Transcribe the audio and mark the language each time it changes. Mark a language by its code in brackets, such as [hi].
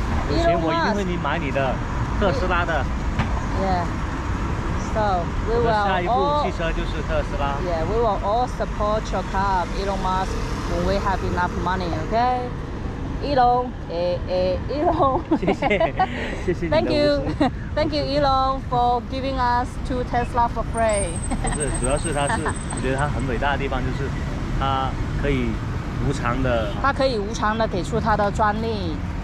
[zh] 有钱我一定会买你的特斯拉的。 [en] Yeah. So we will all. Yeah, we will all support your car, Elon Musk, when we have enough money. Okay. Elon, Elon. [zh] 谢谢。 [en] Thank you. Thank you, Elon, for giving us two Tesla for free. [zh] 不是，主要是他是，我觉得他很伟大的地方就是他可以无偿的给出他的专利。